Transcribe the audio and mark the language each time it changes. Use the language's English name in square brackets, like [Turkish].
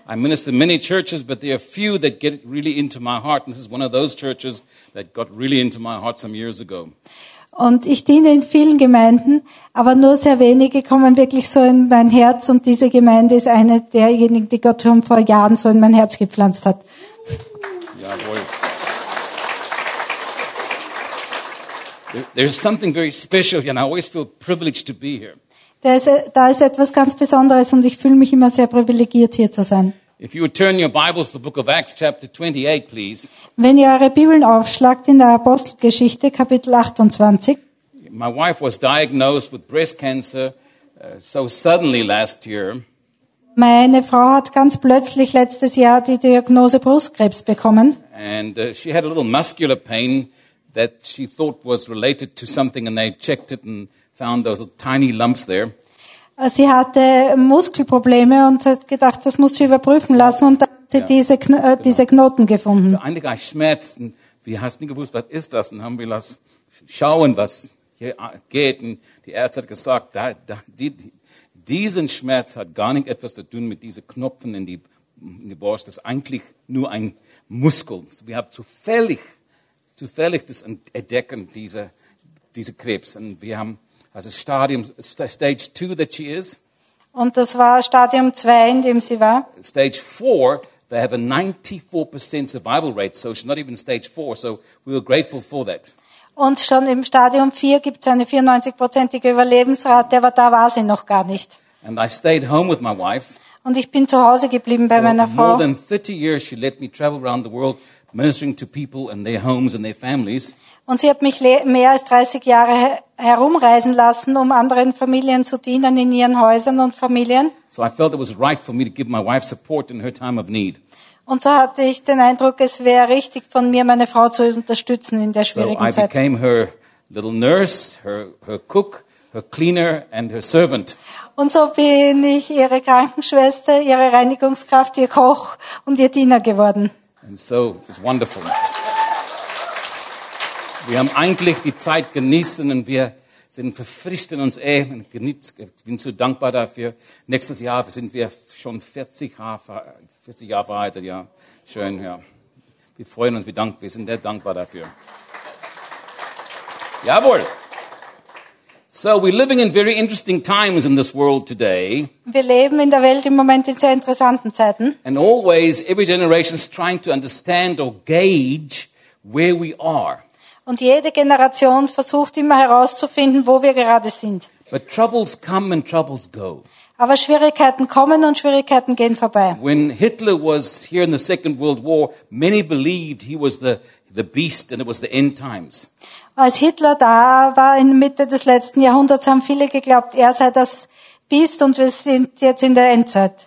[English] I minister many churches, but there are few that get really into my heart. And this is one of those churches that got really into my heart some years ago. [German] Und ich diene in vielen Gemeinden, aber nur sehr wenige kommen wirklich so in mein Herz. Und diese Gemeinde ist eine derjenigen, die Gott schon vor Jahren so in mein Herz gepflanzt hat. Jawohl. [English] There is something very special here, and I always feel privileged to be here. [German] Da ist etwas ganz Besonderes und ich fühle mich immer sehr privilegiert, hier zu sein. [English] If you would turn your Bibles to the book of Acts, chapter 28, please. [German] Wenn ihr eure Bibeln aufschlagt in der Apostelgeschichte, Kapitel 28. [English] My wife was diagnosed with breast cancer so suddenly last year. [German] Meine Frau hat ganz plötzlich letztes Jahr die Diagnose Brustkrebs bekommen. [English] And she had a little muscular pain that she thought was related to something, and they checked it and found those tiny lumps there. [German] Sie hatte Muskelprobleme und hat gedacht, das muss sie überprüfen lassen, und dann hat sie diese Knoten gefunden. So einige Schmerzen, wir haben nicht gewusst, was ist das, und haben wir das schauen, was hier geht, und die Ärzte hat gesagt, diesen Schmerz hat gar nicht etwas zu tun mit diesen Knöpfen in die Brust, das ist eigentlich nur ein Muskel. So wir haben zufällig das entdecken, diese Krebs, und wir haben also [English] stage 2 that she is. [German] Und das war Stadium 2, in dem sie war. [English] Stage 4, they have a 94% survival rate, so she's not even stage 4, so we were grateful for that. [German] Und schon im Stadium 4 gibt's eine 94%ige Überlebensrate, aber da war sie noch gar nicht. [English] And I stayed home with my wife. [German] Und ich bin zu Hause geblieben bei meiner Frau. [English] More than 30 years she let me travel around the world ministering to people and their homes and their families. [German] Und sie hat mich mehr als 30 Jahre herumreisen lassen, um anderen Familien zu dienen in ihren Häusern und Familien. [English] So I felt it was right for me to give my wife support in her time of need. [German] Und so hatte ich den Eindruck, es wäre richtig von mir, meine Frau zu unterstützen in der schwierigen Zeit. [English] So I became her little nurse, her cook, her cleaner and her servant. [German] Und so bin ich ihre Krankenschwester, ihre Reinigungskraft, ihr Koch und ihr Diener geworden. [English] And so it was wonderful. [German] Wir haben eigentlich die Zeit genießen und wir sind verfrischt in uns und bin so dankbar dafür. Nächstes Jahr sind wir schon 40 Jahre verheiratet, ja. Schön, ja. Wir freuen uns, wir sind sehr dankbar dafür. Jawohl. [English] So we're living in very interesting times in this world today. [German] Wir leben in der Welt im Moment in sehr interessanten Zeiten. [English] And always every generation is trying to understand or gauge where we are. [German] Und jede Generation versucht immer herauszufinden, wo wir gerade sind. [English] But troubles come and troubles go. [German] Aber Schwierigkeiten kommen und Schwierigkeiten gehen vorbei. [English] When Hitler was here in the Second World War, many believed he was the beast and it was the end times. [German] Als Hitler da war in Mitte des letzten Jahrhunderts, haben viele geglaubt, er sei das Biest und wir sind jetzt in der Endzeit.